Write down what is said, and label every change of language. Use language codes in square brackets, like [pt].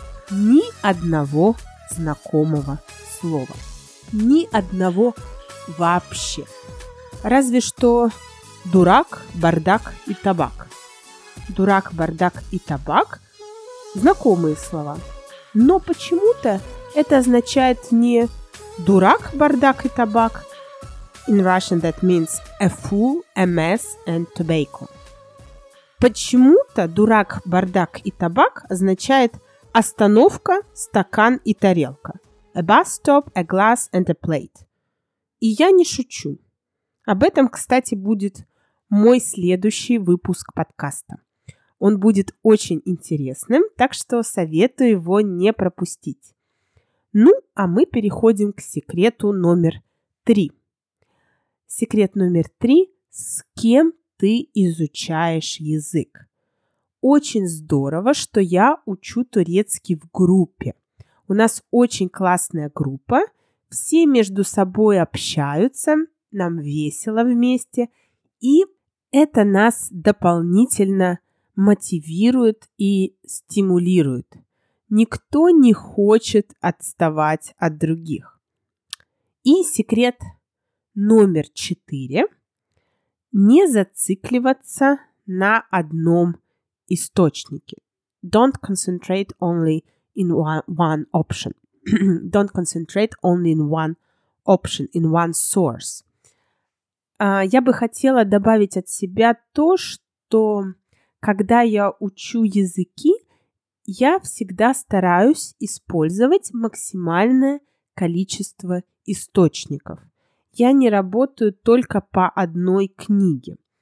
[ru] Да, ни одного знакомого слова, ни одного вообще. Разве что дурак, бардак и табак. Дурак, бардак и табак – знакомые слова. Но почему-то это означает не дурак, бардак и табак. [en] In Russian that means a fool, a mess and tobacco. [ru] Почему-то дурак, бардак и табак означает остановка, стакан и тарелка. [en] A bus stop, a glass and a plate. [ru] И я не шучу. Об этом, кстати, будет мой следующий выпуск подкаста. Он будет очень интересным, так что советую его не пропустить. Ну, а мы переходим к секрету номер 3. Секрет номер 3 – с кем ты изучаешь язык? Очень здорово, что я учу турецкий в группе. У нас очень классная группа, все между собой общаются, нам весело вместе, и это нас дополнительно мотивирует и стимулирует. Никто не хочет отставать от других. И секрет номер 4 – не зацикливаться на одном источнике. [en] Don't concentrate only in one option. Don't concentrate only in one option, in one source. [ru] Я бы хотела добавить от себя то, что когда я учу языки, я всегда стараюсь использовать максимальное количество источников. Я не работаю только по одной книге.